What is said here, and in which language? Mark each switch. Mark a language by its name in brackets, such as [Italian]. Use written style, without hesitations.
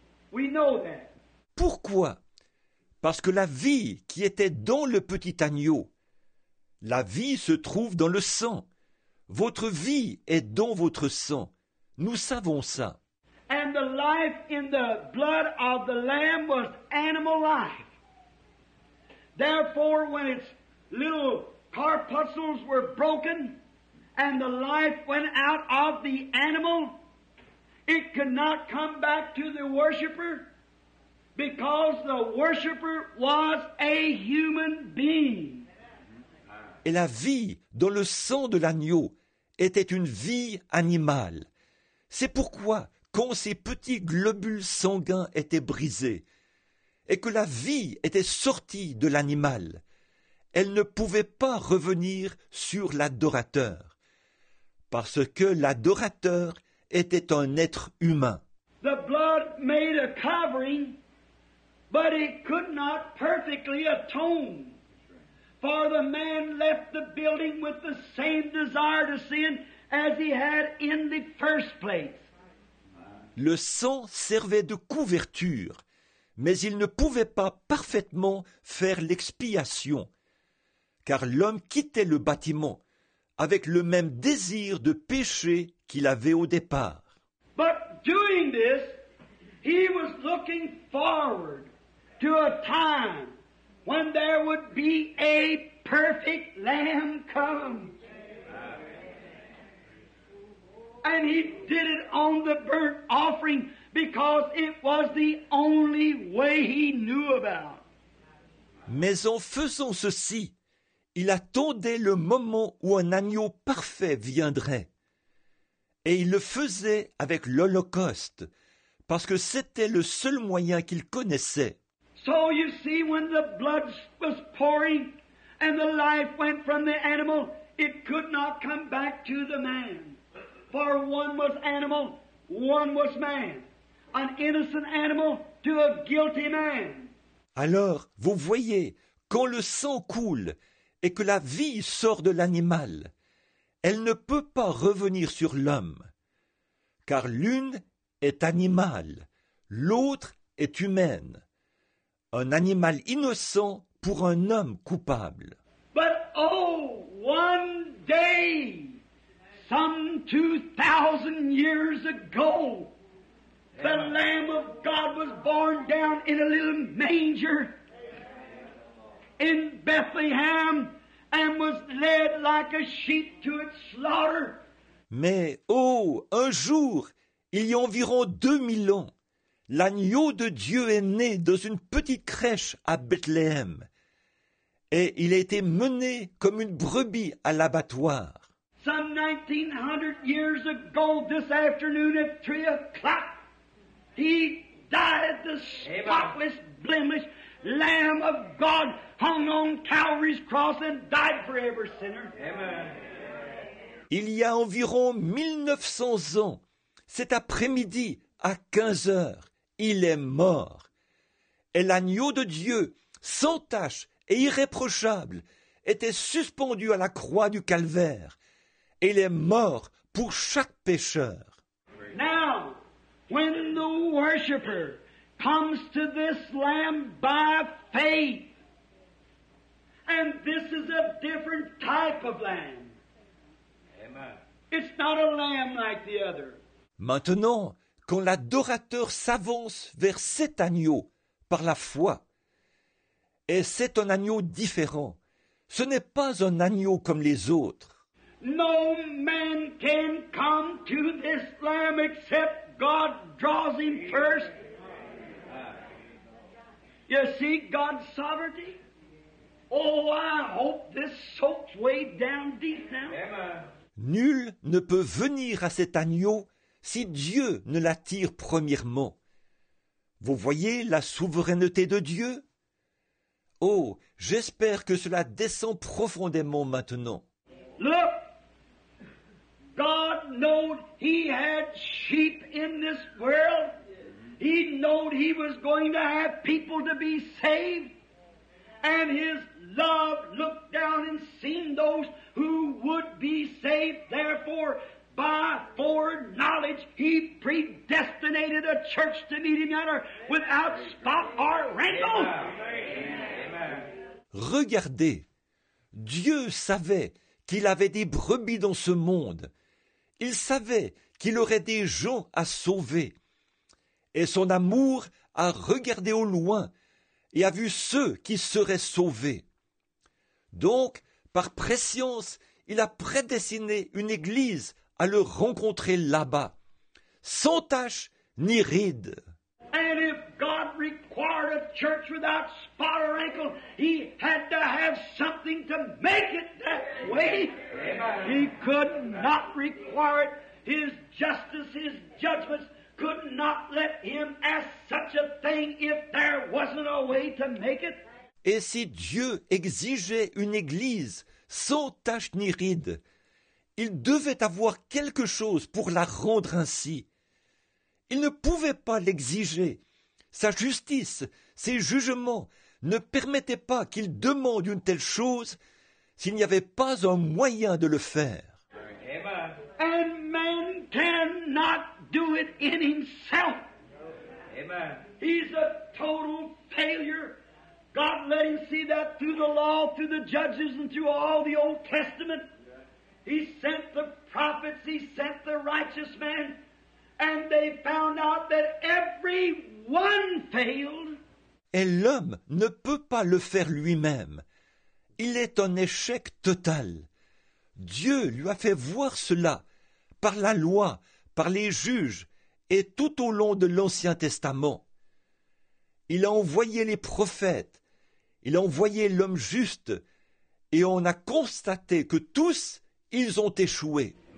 [English] We know that. [French] Pourquoi? Parce que la vie qui était dans le petit agneau, la vie se trouve dans le sang. Votre vie est dans votre sang. Nous savons ça. [English] And the life in the blood of the lamb was animal life. Therefore, when its little corpuscles were broken and the life went out of the animal, it could not come back to the worshiper. Because the worshiper was a human being. [French] Et la vie dans le sang de l'agneau était une vie animale. C'est pourquoi, quand ces petits globules sanguins étaient brisés et que la vie était sortie de l'animal, elle ne pouvait pas revenir sur l'adorateur, parce que l'adorateur était un être humain. [English] The blood made a covering. But it could not perfectly atone, for the man left the building with the same desire to sin as he had in the first place. [French] Le sang servait de couverture, mais il ne pouvait pas parfaitement faire l'expiation, car l'homme quittait le bâtiment avec le même désir de péché qu'il avait au départ. [English] But doing this, he was looking forward to a time when there would be a perfect lamb come. And he did it on the burnt offering because it was the only way he knew about. [French] Mais en faisant ceci, il attendait le moment où un agneau parfait viendrait. Et il le faisait avec l'Holocauste, parce que c'était le seul moyen qu'il connaissait. [English] So you see, when the blood was pouring and the life went from the animal, it could not come back to the man. For one was animal, one was man. An innocent animal to a guilty man. [French] Alors, vous voyez, quand le sang coule et que la vie sort de l'animal, elle ne peut pas revenir sur l'homme. Car l'une est animale, l'autre est humaine. Un animal innocent pour un homme coupable. [English] But oh, one day, some 2,000 years ago, the Lamb of God was born down in a little manger in Bethlehem and was led like a sheep to its slaughter. [French] Mais oh, un jour, il y a environ 2000 ans, l'agneau de Dieu est né dans une petite crèche à Bethléem et il a été mené comme une brebis à l'abattoir. [English] Some 1900 years ago this afternoon at 3 o'clock, he died the spotless, blemish Lamb of God hung on Calvary's cross and died for every sinner. Amen. [French] Il y a environ 1900 ans, cet après-midi à 15 heures, il est mort. Et l'agneau de Dieu, sans tache et irréprochable, était suspendu à la croix du calvaire. Et il est mort pour chaque pécheur. [English] Now, when the worshiper comes to this lamb by faith, and this is a different type of lamb. Amen. It's not a lamb like the other. [French] Maintenant, quand l'adorateur s'avance vers cet agneau par la foi. Et c'est un agneau différent. Ce n'est pas un agneau comme les autres. [English] No man can come to this Lamb except God draws him first. You see God's sovereignty? Oh, I hope this soaks way down deep now. [French] Nul ne peut venir à cet agneau si Dieu ne l'attire premièrement. Vous voyez la souveraineté de Dieu? Oh, j'espère que cela descend profondément maintenant. [English] Look, God knowed he had sheep in this world. He knowed he was going to have people to be saved. And his love looked down and seen those who would be saved. Therefore, by foreknowledge, he predestinated a church to meet him yonder without spot or wrinkle. [French] Regardez, Dieu savait qu'il avait des brebis dans ce monde. Il savait qu'il aurait des gens à sauver. Et son amour a regardé au loin et a vu ceux qui seraient sauvés. Donc, par prescience, il a prédestiné une église à le rencontrer là-bas, sans tache ni ride. [English] And if God required a church without spot or wrinkle, he had to have something to make it that way. Amen. He could not require it. His justice, his judgments could not let him ask such a thing if there wasn't a way to make it. [French] Et si Dieu exigeait une église sans tache ni ride, il devait avoir quelque chose pour la rendre ainsi. Il ne pouvait pas l'exiger. Sa justice, ses jugements ne permettaient pas qu'il demande une telle chose s'il n'y avait pas un moyen de le faire. [English] And man cannot do it in himself. Amen. He's a total failure. God let him see that through the law, through the judges, and through all the Old Testament. He sent the prophets, he sent the righteous men. And they found out that every one failed. [French] Et l'homme ne peut pas le faire lui-même. Il est un échec total. Dieu lui a fait voir cela par la loi, par les juges et tout au long de l'Ancien Testament. Il a envoyé les prophètes, il a envoyé l'homme juste et on a constaté que tous, ils ont échoué.